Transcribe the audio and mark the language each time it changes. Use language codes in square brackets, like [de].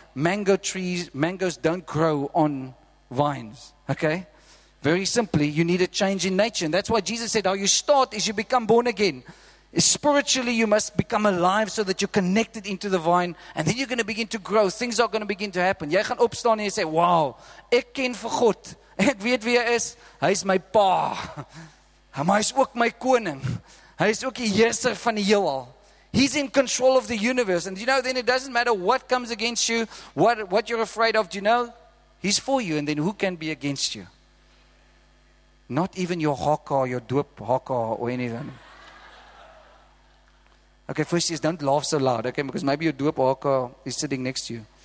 [en] Mangoes don't grow on vines, okay? Very simply, you need a change in nature. And that's why Jesus said, how you start is you become born again. Spiritually, you must become alive so that you're connected into the vine, and then you're going to begin to grow. Things are going to begin to happen. [af] Jy gaan opstaan en say, wow, ek ken vir God. Ek weet wie hy is. Hy is my pa. Hy is ook my koning. Hy is ook die heerser van die heelal. [en] He's in control of the universe. And you know, then it doesn't matter what comes against you, what you're afraid of. Do you know? He's for you. And then who can be against you? Not even your haka, your doop haka or anything. Okay, first is don't laugh so loud, okay? Because maybe your doop haka is sitting next to you.